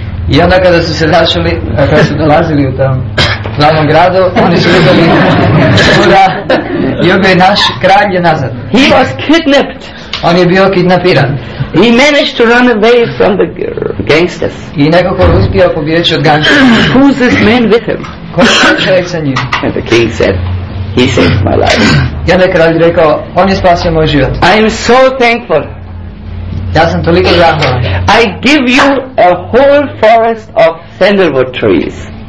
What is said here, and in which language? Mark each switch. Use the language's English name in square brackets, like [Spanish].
[Croatian] I onda kada su se našli, kada su dolazili u tom glavnom gradu, oni su vidjeli čuda i onda je naš kralj je nazad. [English] He was kidnapped. [Croatian] On je bio kidnapiran. [English] He managed to run away from the gangsters. [Croatian] I nekako je uspio pobjeći od gangsters. [English] Who's this man with him? [Croatian] Ko je čovjek sa njim? [English] And the king said, he saved my life. [Croatian] I onda je kralj rekao, on je spasio moj život. [English] I am so thankful. [Croatian] Ja sam toliko zahvalan. [English] I give you a whole forest of sandalwood trees.